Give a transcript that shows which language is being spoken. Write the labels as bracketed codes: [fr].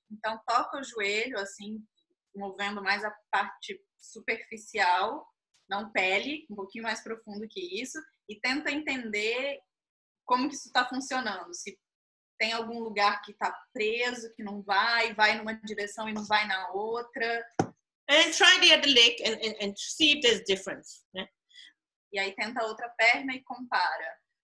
[pt] Então, toca o joelho, assim, movendo mais a parte superficial, não pele, um pouquinho mais profundo que isso, e tenta entender como que isso está funcionando. Se tem algum lugar que está preso, que não vai, vai numa direção e não vai na outra. [en] And try the other leg and see if there's difference. Né? [pt] E aí tenta a outra perna e compara.